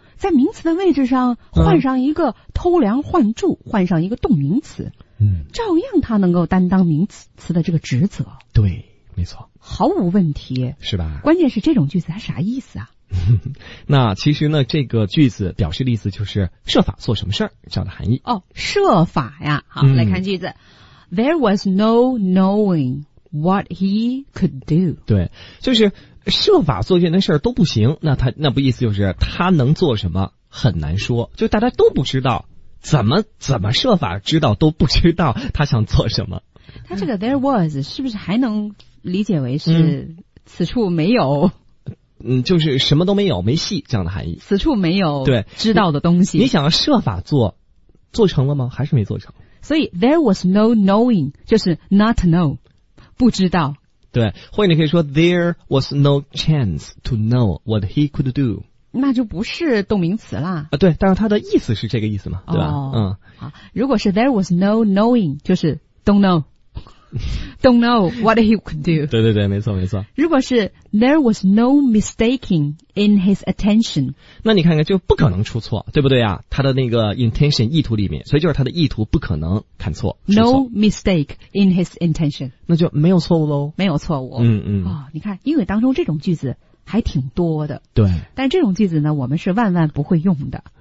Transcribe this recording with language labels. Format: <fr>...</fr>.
<zh>在名词的位置上换上一个偷梁换柱，换上一个动名词，照样它能够担当名词的这个职责。对，没错，毫无问题，是吧？关键是这种句子它啥意思啊？那其实呢，这个句子表示的意思就是设法做什么事儿这样的含义。哦，设法呀。好，来看句子</zh> <en>，There was no knowing what he could do。</en> <zh>对，就是。设法做这件事儿都不行，那不意思就是他能做什么很难说，就大家都不知道，怎么设法知道都不知道他想做什么。他这个</zh> <en>there was</en> <zh>是不是还能理解为是此处没有？就是什么都没有，没戏这样的含义。此处没有对知道的东西。你想要设法做，做成了吗？还是没做成？所以</zh> <en>there was no knowing</en> <zh>就是</zh> <en>not know，</en> <zh>不知道。对，或者你可以说</zh> <en>there was no chance to know what he could do。</en> <zh>那就不是动名词啦。啊，对，但是它的意思是这个意思嘛，对吧？哦、好，如果是</zh> <en>there was no knowing，</en> <zh>就是</zh> <en>don't know。 Don't know what he could do.</en> <zh>对对对，没错没错。如果是</zh> <en>there was no mistaking in his attention，</en> <zh>那你看看就不可能出错，对不对啊？他的那个 intention 意图里面，所以就是他的意图不可能看错。</zh> <en>No mistake in his intention，</en> <zh>那就没有错误喽。没有错误。嗯嗯。啊、哦，你看英语当中这种句子还挺多的。对。但这种句子呢，我们是万万不会用的，</zh>